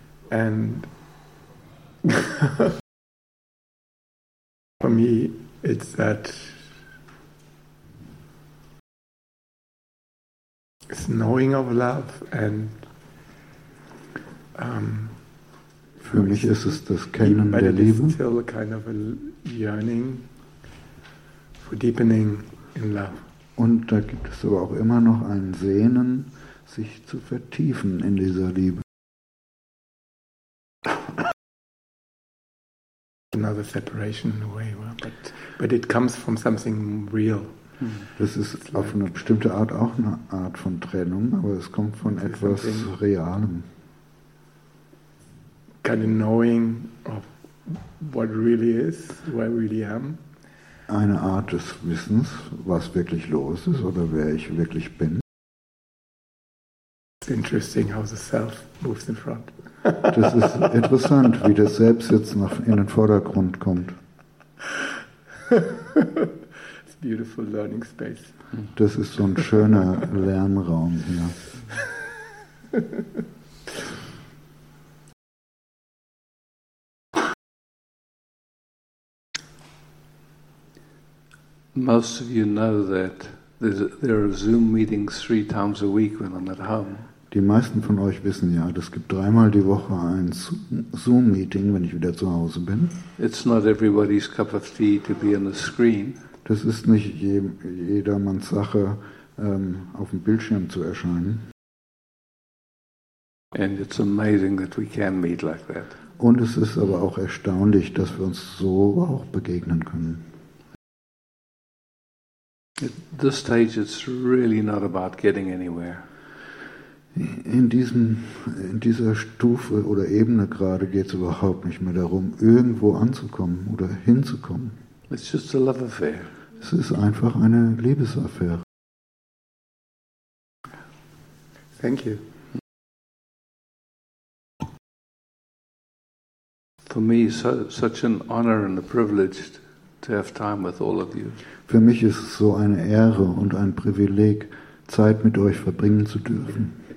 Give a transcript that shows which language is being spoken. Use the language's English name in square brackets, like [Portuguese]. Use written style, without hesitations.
[English] And for me, it's that it's knowing of love and [German] für mich ist es das Kennen der Liebe. [English] But it is still a kind of a yearning for deepening in love. [German] Und da gibt es aber auch immer noch ein Sehnen, sich zu vertiefen in dieser Liebe. [English] Another separation in a way, but it comes from something real. [German] Das ist like, auf eine bestimmte Art auch eine Art von Trennung, aber es kommt von etwas Realem. [English] Kind of knowing of what really is, where I really am. [German] Eine Art des Wissens, was wirklich los ist oder wer ich wirklich bin. [English] interesting how the self moves in front. [German] Das ist interessant, wie das Selbst jetzt nach in den Vordergrund kommt. [English] It's a beautiful learning space. [German] Das ist so ein schöner Lernraum hier. [English] Most of you know that there are Zoom meetings 3 times a week when I'm at home. [German] Die meisten von euch wissen ja, es gibt 3-mal die Woche ein Zoom-Meeting, wenn ich wieder zu Hause bin. [English] It's not everybody's cup of tea to be on the screen. [German] Das ist nicht jedermanns Sache, auf dem Bildschirm zu erscheinen. [English] And it's amazing that we can meet like that. [German] Und es ist aber auch erstaunlich, dass wir uns so auch begegnen können. [English] At this stage, it's really not about getting anywhere. [German] In dieser Stufe oder Ebene gerade geht es überhaupt nicht mehr darum, irgendwo anzukommen oder hinzukommen. [English] It's just a love affair. [German] Es ist einfach eine Liebesaffäre. [English] Thank you. For me, such an honor and a privilege to have time with all of you. [German] Für mich ist es so eine Ehre und ein Privileg, Zeit mit euch verbringen zu dürfen.